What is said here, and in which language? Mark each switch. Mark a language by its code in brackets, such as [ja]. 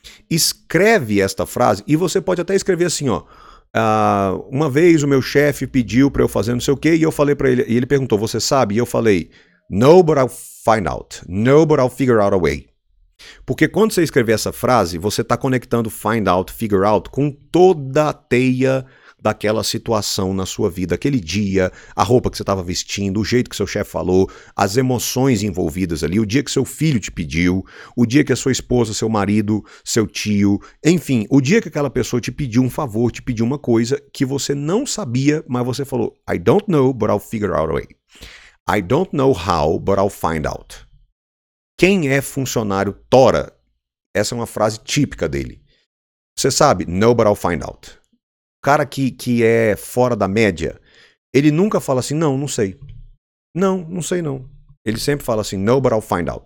[pt] Escreve esta frase e você pode até escrever assim, ó. Uma vez o meu chefe pediu para eu fazer não sei o que e eu falei para ele, e ele perguntou: você sabe? E eu falei: [en] no, but I'll find out. No, but I'll figure out a way. [pt] Porque quando você escrever essa frase, você está conectando find out, figure out com toda a teia daquela situação na sua vida, aquele dia, a roupa que você estava vestindo, o jeito que seu chefe falou, as emoções envolvidas ali, o dia que seu filho te pediu, o dia que a sua esposa, seu marido, seu tio, enfim, o dia que aquela pessoa te pediu um favor, te pediu uma coisa que você não sabia, mas você falou: [en] I don't know, but I'll figure out a way. I don't know how, but I'll find out. [pt] Quem é funcionário Tora? Essa é uma frase típica dele. Você sabe? [en] No, but I'll find out. [pt] O cara que é fora da média, ele nunca fala assim: não, não sei. Não, não sei não. Ele sempre fala assim: [en] no, but I'll find out.